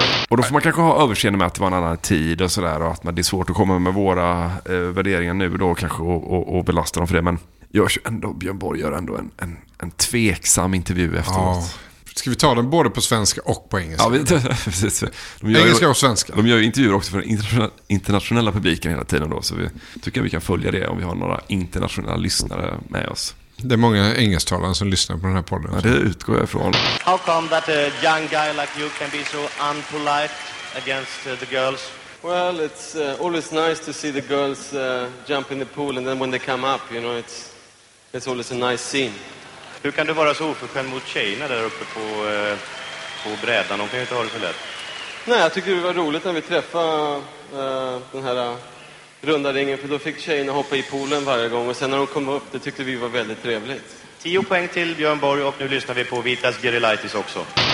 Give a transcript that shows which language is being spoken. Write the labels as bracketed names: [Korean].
[Swedish] Och då får man kanske ha överseende med att det var en annan tid och sådär, och att det är svårt att komma med våra värderingar nu då kanske, och belasta dem för det. Men görs ju ändå, Björn Borg gör ändå en tveksam intervju efteråt. Ja. Ska vi ta den både på svenska och på engelska? Ja, precis. Engelska och svenska. De gör ju intervjuer också för den internationella publiken hela tiden då, så vi tycker att vi kan följa det om vi har några internationella lyssnare med oss. Det är många engelsktalare som lyssnar på den här podden. Ja, det utgår jag ifrån. [English] How come that a young guy like you can be so unpolite against the girls? Well, it's always nice to see the girls jump in the pool, and then when they come up, you know, it's always a nice scene. [Swedish] Hur kan du vara så oförskämd mot tjejerna där uppe på brädan? De kan ju inte ha det så lätt. Nej, jag tycker det var roligt när vi träffade den här runda ringen. För då fick tjejerna hoppa i poolen varje gång. Och sen när de kom upp, det tyckte vi var väldigt trevligt. 10 poäng till Björn Borg, och nu lyssnar vi på Vitas Gerilaitis också.